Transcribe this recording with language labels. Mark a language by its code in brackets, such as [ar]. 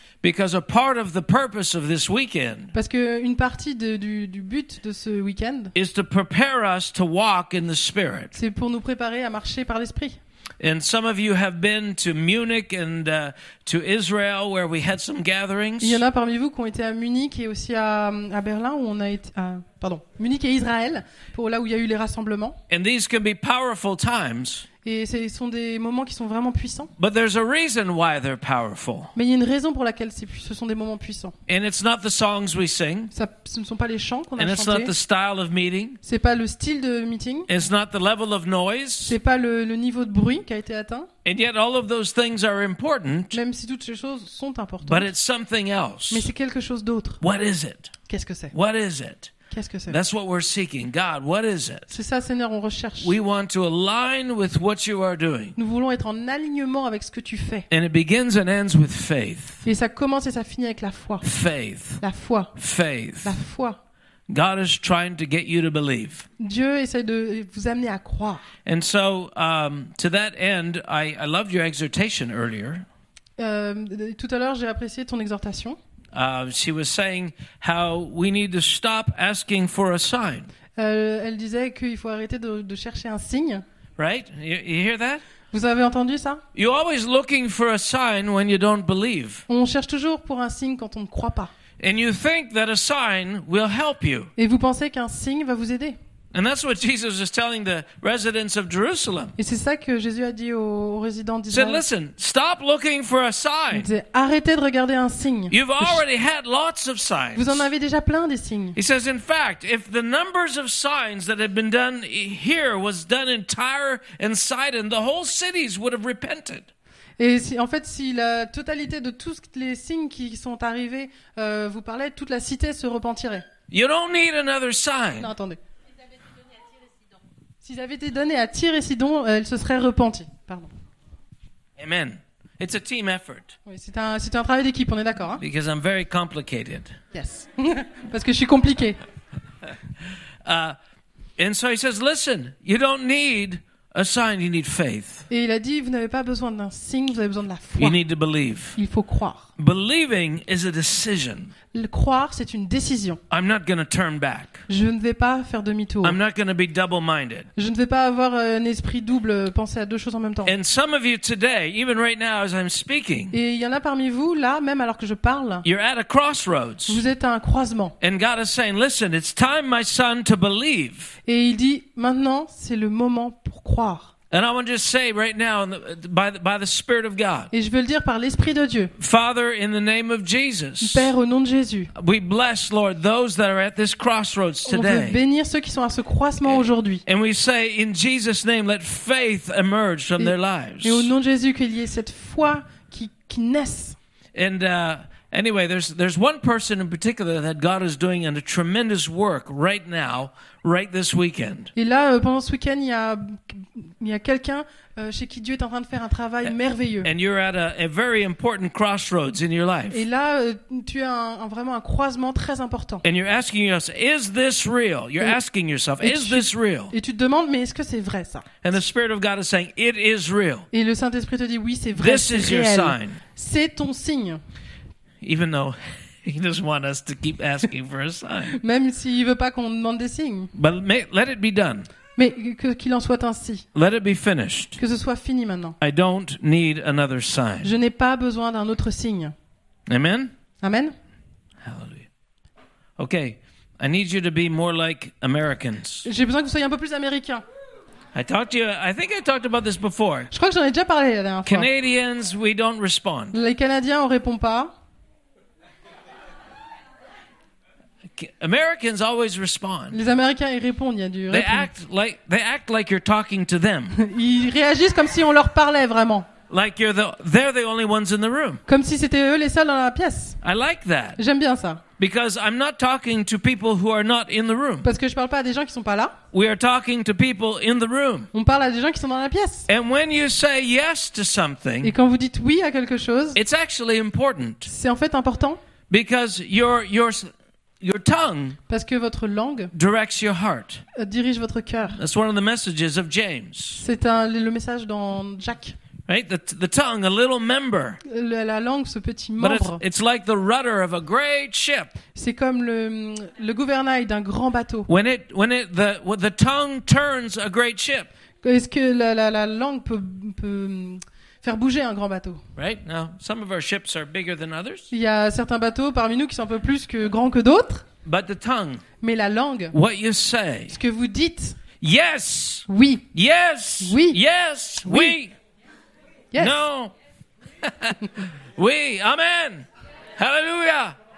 [en] Because a part of the purpose of this weekend. [fr] Parce que une partie du but de ce weekend. [en] Is to prepare us to walk in the spirit. [fr] C'est pour nous préparer à marcher par l'esprit. [en] And some of you have been to Munich and to Israel where we had some gatherings. [fr] Il y en a parmi vous qui ont été à Munich et aussi à Berlin où on a été Munich et Israël pour là où il y a eu les rassemblements. [en] And these can be powerful times. [fr] Et ce sont des moments qui sont vraiment puissants. [en] But there's a reason why they're powerful. [fr] Mais il y a une raison pour laquelle ce sont des moments puissants. [en] And it's not the songs we sing. [fr] Ce ne sont pas les chants qu'on [en] and a it's [fr] chantés. [en] Not the style of meeting. [fr] C'est pas le style de meeting. [en] It's not the level of noise. [fr] C'est pas le niveau de bruit qui a été atteint. [en] And yet all of those things are important. [fr] Même si toutes ces choses sont importantes. [en] But it's something else. [fr] Mais c'est quelque chose d'autre. [en] What is it? [fr] Qu'est-ce que c'est? [en] What is it? [fr] Qu'est-ce que c'est? [en] That's what we're seeking. God, what is it? [fr] C'est ça, Seigneur, on recherche. [en] We want to align with what you are doing. [fr] Nous voulons être en alignement avec ce que tu fais. [en] And it begins and ends with faith. [fr] Et ça commence et ça finit avec la foi. [en] Faith. [fr] La foi. [en] Faith. [fr] La foi. [en] God is trying to get you to believe. [fr] Dieu essaie de vous amener à croire. [en] And so, to that end, I loved your exhortation earlier. [fr] Tout à l'heure, j'ai apprécié ton exhortation. [en] She was saying how we need to stop asking for a sign. [fr] Elle disait qu'il faut arrêter de chercher un signe. [en] Right? You hear that? [fr] Vous avez entendu ça? [en] You're always looking for a sign when you don't believe. [fr] On cherche toujours pour un signe quand on ne croit pas. [en] And you think that a sign will help you. [fr] Et vous pensez qu'un signe va vous aider. [en] And that's what Jesus is telling the residents of Jerusalem. [fr] Et c'est ça que Jésus a dit aux résidents d'Israël. [en] He said, listen, stop looking for a sign. [fr] Il dit, arrêtez de regarder un signe. [en] You've already had lots of signs. [fr] Vous en avez déjà plein des signes. [en] He says, in fact, if the numbers of signs that had been done here was done in Tyre and Sidon, the whole cities would have repented. [fr] Et si, en fait, si la totalité de tous les signes qui sont arrivés vous parlaient, toute la cité se repentirait. [en] You don't need another sign. [fr] Non, attendez. S'ils avaient été donnés à Tyr et Sidon, elles se seraient repenties. Pardon. [en] Amen. It's a team effort. [fr] Oui, c'est un travail d'équipe, on est d'accord. Hein? [en] Because I'm very complicated. [fr] Yes. Parce que je suis compliqué. [en] And so he says, listen, you don't need a sign, you need faith. [fr] Et il a dit, vous n'avez pas besoin d'un signe, vous avez besoin de la foi. [en] You need to believe. [fr] Il faut croire. [en] Believing is a decision. [fr] Le croire, c'est une décision. [en] I'm not going to turn back. [fr] Je ne vais pas faire demi-tour. [en] I'm not going to be double-minded. [fr] Je ne vais pas avoir un esprit double, penser à deux choses en même temps. [en] And some of you today, even right now as I'm speaking, [fr] et il y en a parmi vous, là, même alors que je parle, [en] you're at a crossroads. [fr] Vous êtes à un croisement. [en] And God is saying, listen, it's time, my son, to believe. [fr] Et il dit, maintenant, c'est le moment pour croire. [en] And I want to just say right now by the Spirit of God. [fr] Et je veux le dire par l'Esprit de Dieu. [en] Father, in the name of Jesus. [fr] Père, au nom de Jésus. [en] We bless, Lord, those that are at this crossroads today. [fr] On veut bénir ceux qui sont à ce croisement aujourd'hui. [en] And we say in Jesus' name, let faith emerge from their lives. [fr] Et au nom de Jésus, qu'il y ait cette foi qui naisse. [en] And anyway, there's one person in particular that God is doing a tremendous work right now. Right this weekend. [fr] Et là, pendant ce week-end, il y a quelqu'un chez qui Dieu est en train de faire un travail merveilleux. [en] And you're at a very important crossroads in your life. [fr] Et là, tu as vraiment un croisement très important. [en] And you're asking yourself, is this real? You're asking yourself, is this real? [fr] Et tu te demandes, mais est-ce que c'est vrai ça? [en] And the Spirit of God is saying, it is real. [fr] Et le Saint-Esprit te dit, oui, c'est vrai, [en] this [fr] c'est [en] is [fr] réel. [en] Your sign. [fr] C'est ton signe. [en] Even though He doesn't want us to keep asking for a sign. [fr] Même s'il veut pas qu'on demande des signes. [en] But let it be done. [fr] Mais qu'il en soit ainsi. [en] Let it be finished. [fr] Que ce soit fini maintenant. [en] I don't need another sign. [fr] Je n'ai pas besoin d'un autre signe. Amen. Amen. Hallelujah. [en] Okay, I need you to be more like Americans. [fr] J'ai besoin que vous soyez un peu plus américains. [en] I talked to you. I think I talked about this before. [fr] Je crois que j'en ai déjà parlé la dernière fois. [en] Canadians, we don't respond. [fr] Les Canadiens, on répond pas. [en] Americans always respond. [fr] Les Américains ils répondent, il y a du répondre. [en] They act like you're talking to them. [fr] Ils réagissent comme si on leur parlait vraiment. [en] Like you're they're the only ones in the room. [fr] Comme si c'était eux les seuls dans la pièce. [en] I like that. [fr] J'aime bien ça. [en] Because I'm not talking to people who are not in the room. [fr] Parce que je parle pas à des gens qui sont pas là. [en] We are talking to people in the room. [fr] On parle à des gens qui sont dans la pièce. [en] And when you say yes to something, [fr] et quand vous dites oui à quelque chose, [en] it's actually important. [fr] C'est en fait important. [en] Because your tongue, [fr] parce que votre langue, [en] directs your heart. [fr] Dirige votre cœur. [en] That's one of the messages of James. [fr] C'est le message dans Jacques. [en] Right, the tongue, a little member. [fr] La langue, ce petit membre. [en] But it's like the rudder of a great ship. [fr] C'est comme le gouvernail d'un grand bateau. [en] When the tongue turns a great ship. [fr] Est-ce que la langue peut faire bouger un grand bateau. [en] Right? Now, some of our ships are bigger than others. [fr] Il y a certains bateaux parmi nous qui sont un peu plus grands que d'autres. [en] But the tongue, [fr] mais la langue. [en] What you say. [fr] Ce que vous dites. [en] Yes. [fr] Oui. [en] Yes. [fr] Oui. [en] Yes. Oui. Yes. No. Oui. Amen. Hallelujah.